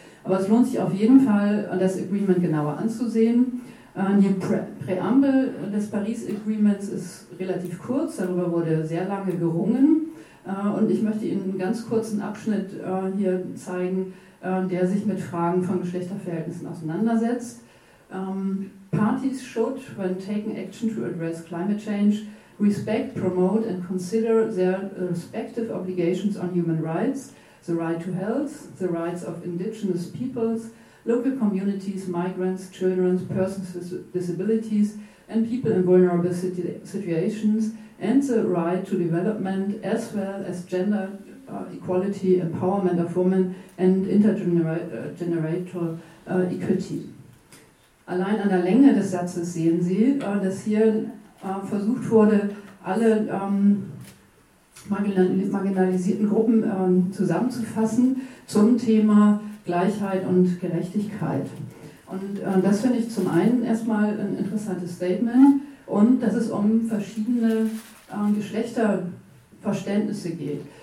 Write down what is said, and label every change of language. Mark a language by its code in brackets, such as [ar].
[de] Aber es lohnt sich auf jeden Fall, das Agreement genauer anzusehen. Die Präambel des Paris Agreements ist relativ kurz, darüber wurde sehr lange gerungen. Und ich möchte Ihnen einen ganz kurzen Abschnitt hier zeigen, der sich mit Fragen von Geschlechterverhältnissen auseinandersetzt. [en] Parties should, when taking action to address climate change, respect, promote and consider their respective obligations on human rights, the right to health, the rights of indigenous peoples, local communities, migrants, children, persons with disabilities, and people in vulnerable situations, and the right to development, as well as gender equality, empowerment of women, and intergenerational equity. [de] Allein an der Länge des Satzes sehen Sie, dass hier versucht wurde, alle marginalisierten Gruppen zusammenzufassen zum Thema Gleichheit und Gerechtigkeit. Und das finde ich zum einen erstmal ein interessantes Statement und dass es um verschiedene Geschlechterverständnisse geht.